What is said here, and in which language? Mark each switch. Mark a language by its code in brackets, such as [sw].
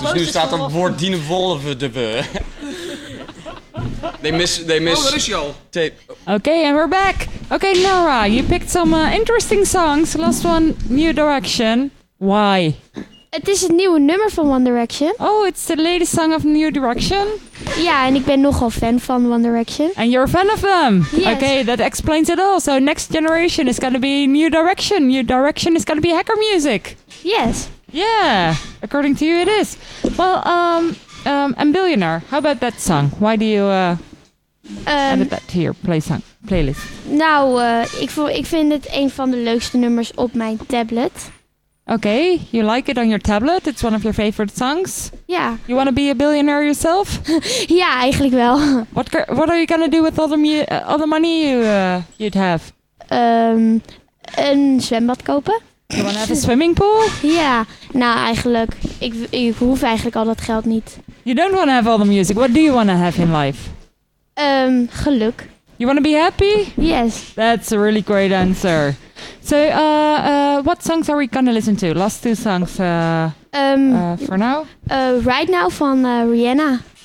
[nl] Dus nu staat er woord Dienevolve de we. They miss. Oh, dat is je al. [en] Okay, and we're back. Okay, Nora, you picked some interesting songs. Last one, New Direction. Why? [nl] Het is het nieuwe nummer van One Direction. [en] Oh, it's the latest song of New Direction. [nl] Ja, en ik ben nogal fan van One Direction. [en] And you're a fan of them. Yes. Okay, that explains it all. So Next Generation is gonna be New Direction. New Direction is gonna be hacker music. Yes. Yeah, according to you it is. Well, I'm Billionaire. How about that song? Why do you add that to your playlist? [nl] Nou, ik vind het een van de leukste nummers op mijn tablet. [en] Okay, you like it on your tablet. It's one of your favorite songs. Yeah. You want to be a billionaire yourself? [nl] Ja, eigenlijk wel. [en] What are you gonna do with all the money you'd have? [nl] Een zwembad kopen. [en] You want to have a swimming pool? [nl] Ja. Nou, eigenlijk. Ik hoef eigenlijk al dat geld niet. [en] You don't want to have all the music. What do you want to have in life? [nl] Geluk. [en] You want to be happy? Yes. That's a really great answer. So, what songs are we gonna listen to? Last two songs for now? Right now from Rihanna.